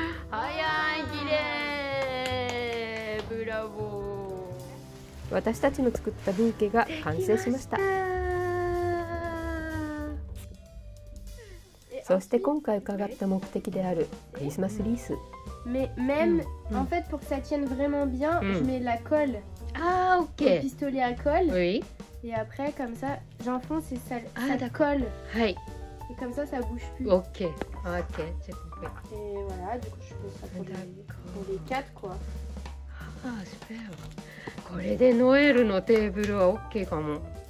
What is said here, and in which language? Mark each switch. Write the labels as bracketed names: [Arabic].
[Japanese] 早い、綺麗。ブラボー。私たちの作ったブーケが完成しました。そして今回伺った目的であるクリスマスリース。 [French] Mais même, en fait, pour que ça tienne vraiment bien, je mets la colle. Ah, ok. Le pistolet à colle. Oui. Et après, comme ça, j'enfonce et ça colle. Hi. Et comme ça, ça bouge plus. Ok, ok, j'ai compris. Et voilà, du coup, je fais ça pour les quatre, quoi. Ah, super. [Japanese] これでノエルのテーブルはOKかも。